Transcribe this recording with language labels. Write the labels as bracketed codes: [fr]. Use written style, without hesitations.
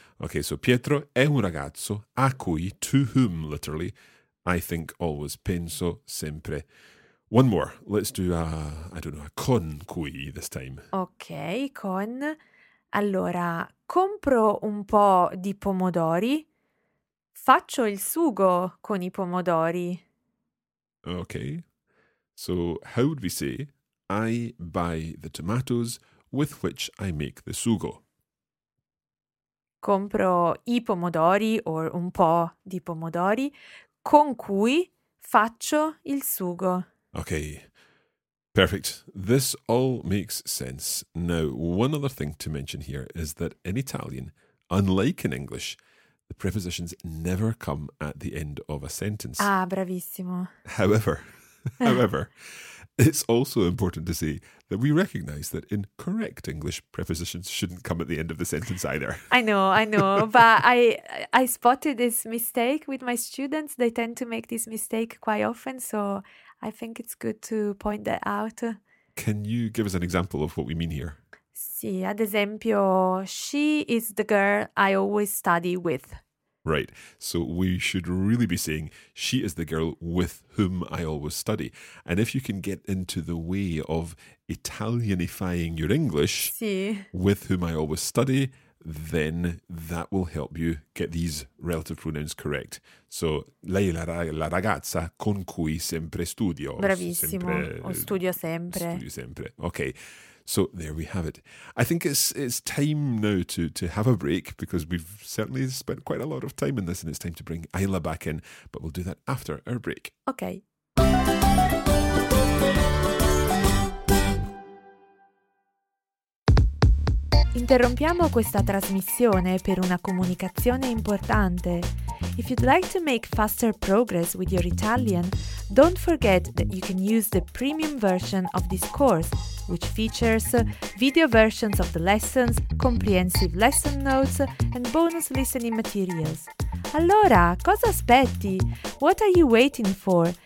[en] Ok, so [it] Pietro è un ragazzo a cui, [en] to whom, literally, I think always, [it] penso sempre. [en] One more. Let's do a con cui this time. [it] Ok, con. Allora, compro un po' di pomodori, faccio il sugo con i pomodori. Ok. [en] So, how would we say, I buy the tomatoes with which I make the sugo? [it] Compro i pomodori, or un po' di pomodori, con cui faccio il sugo. [en] Okay, perfect. This all makes sense. Now, one other thing to mention here is that in Italian, unlike in English, the prepositions never come at the end of a sentence. [it] Ah, bravissimo. [en] However, it's also important to say that we recognize that in correct English, prepositions shouldn't come at the end of the sentence either. I know, but I spotted this mistake with my students. They tend to make this mistake quite often, so I think it's good to point that out. Can you give us an example of what we mean here? [it] Sì, ad esempio, [en] she is the girl I always study with. Right. So we should really be saying, she is the girl with whom I always study. And if you can get into the way of Italianifying your English, [it] sì, [en] with whom I always study, then that will help you get these relative pronouns correct. [it] So, lei è la ragazza con cui sempre studio. Bravissimo. Studio sempre. [en] Okay. So there we have it. I think it's time now to have a break, because we've certainly spent quite a lot of time in this, and it's time to bring Ayla back in, but we'll do that after our break. Okay. [it] Interrompiamo questa trasmissione per una comunicazione importante. [en] If you'd like to make faster progress with your Italian, don't forget that you can use the premium version of this course, which features video versions of the lessons, comprehensive lesson notes, and bonus listening materials. [it] Allora, cosa aspetti? [en] What are you waiting for?